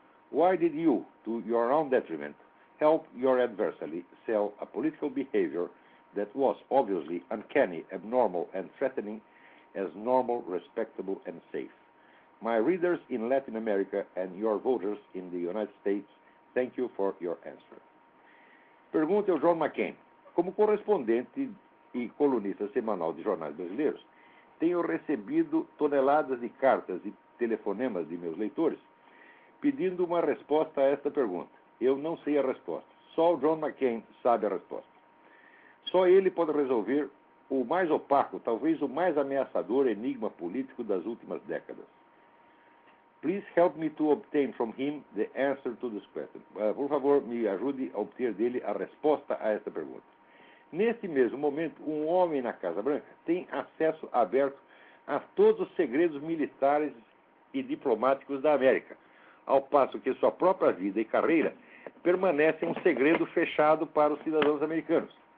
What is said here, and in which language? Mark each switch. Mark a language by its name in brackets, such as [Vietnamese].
[English] Why did you, to your own detriment, help your adversary sell a political behavior that was obviously uncanny, abnormal, and threatening as normal, respectable, and safe? My readers in Latin America and your voters in the United States, thank you for your answer. [Portuguese] Pergunte ao John McCain. Como correspondente e colunista semanal de jornais brasileiros, tenho recebido toneladas de cartas e telefonemas de meus leitores pedindo uma resposta a esta pergunta. Eu não sei a resposta. Só o John McCain sabe a resposta. Só ele pode resolver o mais opaco, talvez o mais ameaçador enigma político das últimas décadas. [English] Please help me to obtain from him the answer to this question. [Portuguese] Por favor, me ajude a obter dele a resposta a esta pergunta. Neste mesmo momento, um homem na Casa Branca tem acesso aberto a todos os segredos militares e diplomáticos da América, ao passo que sua própria vida e carreira permanecem um segredo fechado para os cidadãos americanos.